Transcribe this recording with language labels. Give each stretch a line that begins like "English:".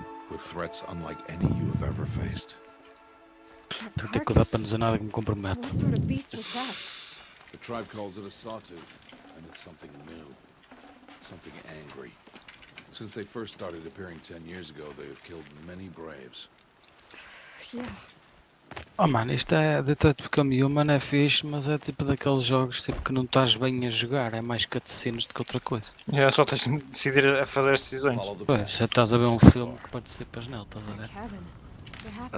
English: With threats unlike any you have ever faced.
Portuguese: Tenho que ter cuidado para não dizer nada que me compromete.
English: What sort of beast was that? The tribe calls it a sawtooth, and it's something new. Something angry. Since they first started appearing 10 years ago, they have killed many braves. Yeah. Oh man,
Portuguese: isto é Detroit Become Human, é fixe, mas é tipo daqueles jogos tipo que não estás bem a jogar, é mais cutscenes do que outra coisa. É, só tens de decidir a fazer as decisões. Pois, já estás a ver um filme que participas nele, estás a ver?